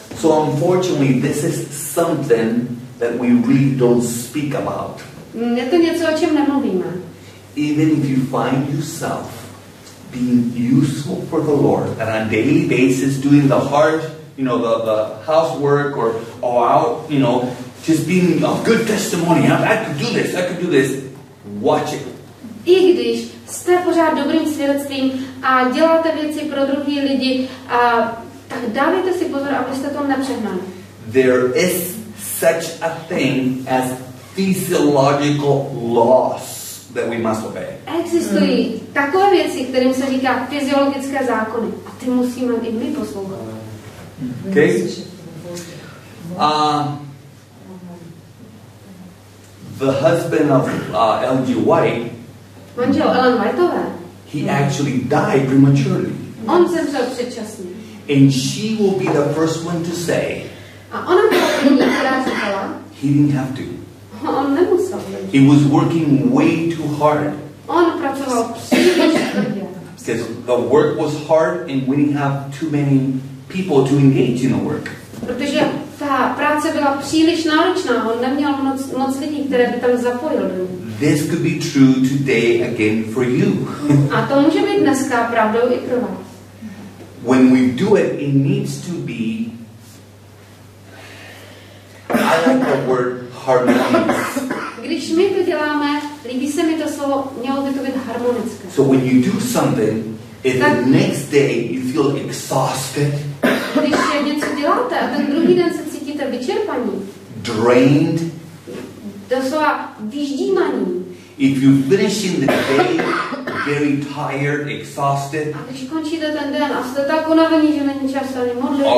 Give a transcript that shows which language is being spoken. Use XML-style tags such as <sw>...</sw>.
<en>So unfortunately, this is something that we really don't speak about.</en> <cs>Je to něco, o čem nemluvíme.</cs> <en>Even if you find yourself being useful for the Lord and on a daily basis doing the hard, you know, the housework or out, you know, just being a good testimony. I could do this. Watch it.</en> <cs>I když jste pořád dobrým svědectvím a děláte věci pro druhý lidi, tak dávejte si pozor, abyste to nepřehnali.</cs> <en>There is such a thing as physiological loss that we must obey.</en> <cs>Existují takové věci, kterým se říká fyziologické zákony, a ty musíme i my poslouchat.</cs> <en>Okay. The husband of L.G. White.</en> <cs>Manžel Ellen Whiteové.</cs> <en>He actually died prematurely.</en> <cs>On zemřel předčasně.</cs> <en>And she will be the first one to say.</en> <cs>A ona byla první, která říkala.</cs> <en>He didn't have to.</en> <cs>On nemusel.</cs> <en>He was working way too hard.</en> <cs>On pracoval příliš tvrdě.</cs> <en>Because the work was hard and we didn't have too many people to engage in the work.</en> <cs>Protože ta práce byla příliš náročná, on neměl moc lidí, které by tam zapojil.</cs> <en>This could be true today again for you.</en> <cs>A to může být dneska pravdou i pro vás.</cs> <en>When we do it, it needs to be, I like the word harmonious.</en> <cs>Když my to děláme, líbí se mi to slovo, mělo by to být harmonické.</cs> <en>So when you do something, if the next day you feel exhausted,</en> <cs>když něco děláte a ten druhý den se cítíte vyčerpaní,</cs> <en>drained,</en> <cs>doslova vyždímaní,</cs> <en>if you finish in the day very tired, exhausted,</en> <cs>a když končíte ten den a jste tak unavený, že není čas ani modlit,</cs>